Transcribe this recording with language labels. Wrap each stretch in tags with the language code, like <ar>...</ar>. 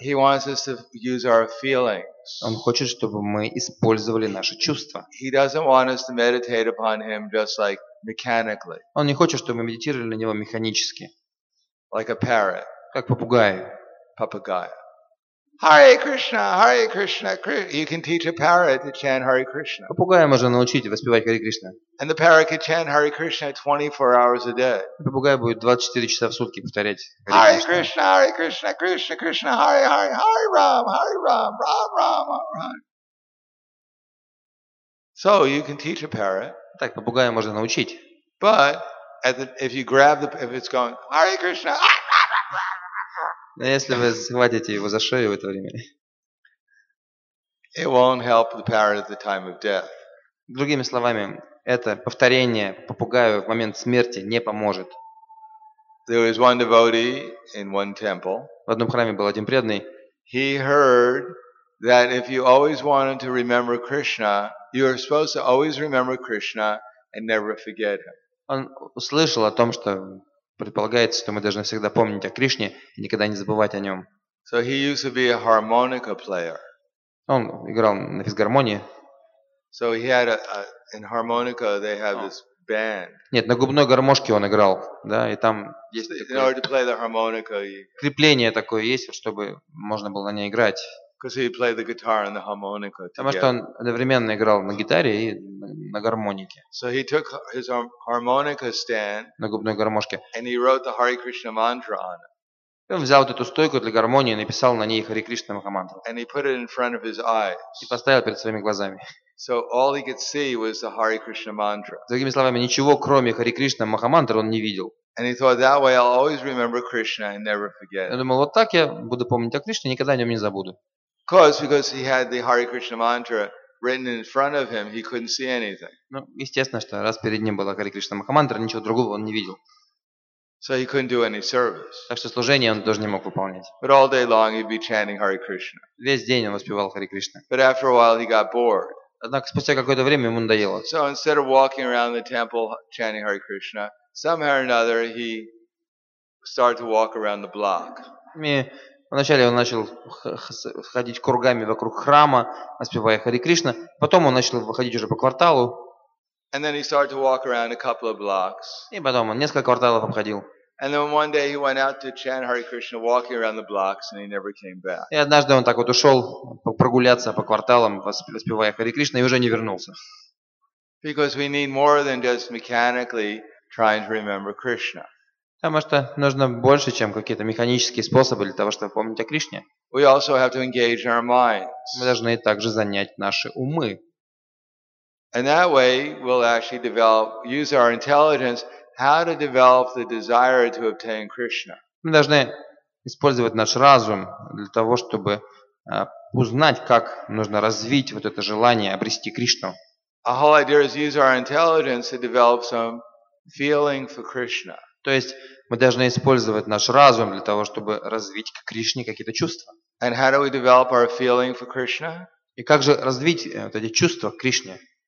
<en>He wants us to use our feelings.</en> <ru>Он хочет, чтобы мы использовали наши чувства.</ru> <en>He doesn't want us to meditate upon him just like mechanically.</en> <ru>Он не хочет, чтобы мы медитировали на него механически.</ru> <en>Like a parrot.</en> <ru>Как попугай. Papagaya.</ru> <sa>Hare Krishna, Hare Krishna.</sa> <en>You can teach a parrot to chant Hare Krishna.</en> <ru>Попугая можно научить воспевать Hare Krishna.</ru> <en>And the parrot can chant Hare Krishna 24 hours a day.</en> <ru>Попугай будет 24 часа в сутки повторять Hare</ru> <sa>Krishna. Hare Krishna, Hare Krishna, Krishna Krishna, Hare Hare, Hare Ram, Hare Ram, Ram Ram, Ram Ram.</sa> <en>So you can teach a parrot.</en> <ru>Так, попугая можно научить.</ru> <en>But if you grab the, if it's going Hare Krishna,</en> <ru>но если вы схватите его за шею в это время,</ru> <en>it won't help the parrot at the time of death.</en> <ru>Другими словами, это повторение попугаю в момент смерти не поможет.</ru> <en>There was one devotee in one temple.</en> <ru>В одном храме был один преданный.</ru> <en>He heard that if you always wanted to remember Krishna, you are supposed to always remember Krishna and never forget him.</en> <ru>Он услышал о том, что предполагается, что мы должны всегда помнить о Кришне и никогда не забывать о нем.</ru> <en>So he used to be a harmonica player.</en> <ru>Он играл на физгармонии.</ru> <en>So he had in harmonica they have this band.</en> <ru>Нет, на губной гармошке он играл, да, и там есть</ru> <en>in order to play the harmonica,</en> <ru>крепление такое есть, чтобы можно было на ней играть.</ru> <en>Because he played the guitar and the harmonica together.</en> <ru>Потому что он одновременно играл на гитаре и на гармонике.</ru> <en>So he took his harmonica stand.</en> <ru>На губной гармошке.</ru> <en>And he wrote the Hare Krishna mantra on it.</en> <ru>И он взял вот эту стойку для гармонии и написал на ней Hare Krishna mantra.</ru> <en>And he put it in front of his eyes.</en> <ru>И поставил перед своими глазами.</ru> <en>So all he could see was the Hare Krishna mantra.</en> <ru>Другими словами, ничего кроме Hare Krishna mantra он не видел.</ru> <en>And he thought that way, I'll always remember Krishna and never forget.</en> <ru>Я думал, вот так я буду помнить о Кришне, никогда о нем не забуду.</ru> <en>Because he had the Hare Krishna mantra written in front of him, he couldn't see anything.</en> <ru>Ну, естественно, что раз перед ним была Hare Krishna mantra, ничего другого он не видел.</ru> <en>So he couldn't do any service.</en> <ru>Так что служение он тоже не мог выполнять.</ru> <en>But all day long he'd be chanting Hare Krishna.</en> <ru>Весь день он воспевал Hare Krishna.</ru> <en>But after a while he got bored.</en> <ru>Однако спустя какое-то время ему надоело.</ru> <en>So instead of walking around the temple chanting Hare Krishna, somehow or another he started to walk around the block.</en> <ru>Вначале он начал ходить кругами вокруг храма, воспевая Хари Кришна. Потом он начал выходить уже по кварталу.</ru> <en>And then he started to walk around a couple of blocks.</en> <ru>И потом он несколько кварталов обходил.</ru> <en>And then one day he went out to chant Hare Krishna, walking around the blocks, and he never came back.</en> <ru>И однажды он так вот ушел прогуляться по кварталам, воспевая Хари Кришна, и уже не вернулся.</ru> <en>Because we need more than just mechanically trying to remember Krishna.</en> <ru>Потому что нужно больше, чем какие-то механические способы для того, чтобы помнить о Кришне.</ru> <en>We also have to engage our minds.</en> <ru>Мы должны также занять наши умы.</ru> <en>And that way we'll actually develop, use our intelligence, how to develop the desire to obtain Krishna.</en> <ru>Мы должны использовать наш разум для того, чтобы узнать, как нужно развить вот это желание обрести Кришну.</ru> <en>The whole idea is use our intelligence to develop some feeling for Krishna.</en> <ru>То есть мы должны использовать наш разум для того, чтобы развить к Кришне какие-то чувства.</ru> <en>And how do we develop our feeling for Krishna?</en> <ru>И как же развить вот эти чувства к Кришне?</ru>